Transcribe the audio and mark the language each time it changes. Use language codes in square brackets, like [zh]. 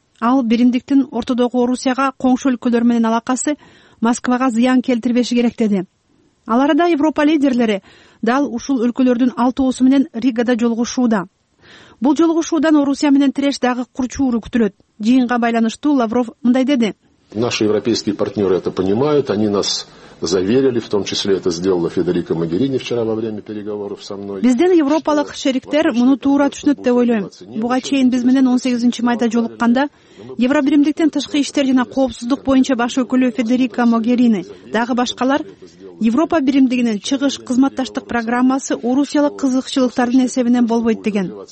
[ky] Ал биримдиктин ортодогу Орусияга коңшу өлкөлөр менен алакасы Москвага зыян келтирбеши керек деди. Ал арада Европа лидерлери дал ушул өлкөлөрдүн 6-сы менен Ригада жолугушууда. Бул жолугушуудан Орусия менен тиреш дагы курчууру күтүлөт. Жыйынга байланыштуу Лавров мындай деди: [ru] Наши европейские партнеры это понимают, они нас заверили, в том числе это сделала Федерико Могерини вчера во время переговоров со мной. [ky] Бизден европалык шериктер муну туура түшүнөт деп ойлойм. Буга чейин биз менен 18 майда жолукканда Евробиримдиктен тышкы иштер жана коопсуздук боюнча баш өкүлү Федерико Могерини дагы башкалар Европа биримдигинин чыгыш кызматташтык программасы Орусиялык кызыкчылыктардын эсебинен болбойт деген.